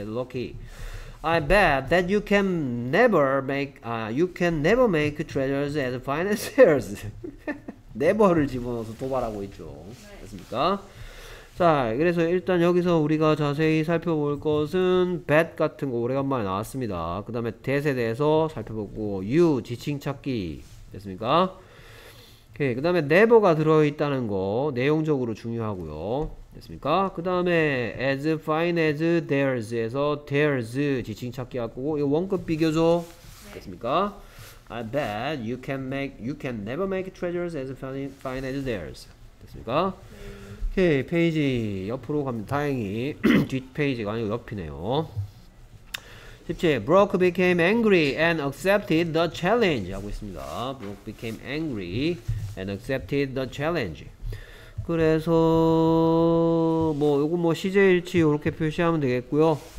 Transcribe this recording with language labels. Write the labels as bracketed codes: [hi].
[en] Said Rocky, I bet that you can never make you can never make treasures as financiers. [ko] never를 집어넣어서 도발하고 있죠. 됐습니까? 자, 그래서 일단 여기서 우리가 자세히 살펴볼 것은 bet 같은 거 오래간만에 나왔습니다. 그 다음에 that에 대해서 살펴보고 you 지칭 찾기 됐습니까? 오케이. 그 다음에 never가 들어있다는 거 내용적으로 중요하고요. 됐습니까? 그 다음에 [en] as fine as theirs [ko] 에서 theirs 지칭 찾기 하고 이거 원급 비교죠? 네. 됐습니까? [en] I bet you can make you can never make treasures as fine as theirs [ko] 됐습니까? 오케이. 네. 페이지 옆으로 갑니다. 다행히 뒷페이지가 아니고 옆이네요. [en] 17. Brock became angry and accepted the challenge [ko] 하고 있습니다. [en] Brock became angry and accepted the challenge. [ko] 그래서 뭐 요거 뭐 시제일치 이렇게 표시하면 되겠고요.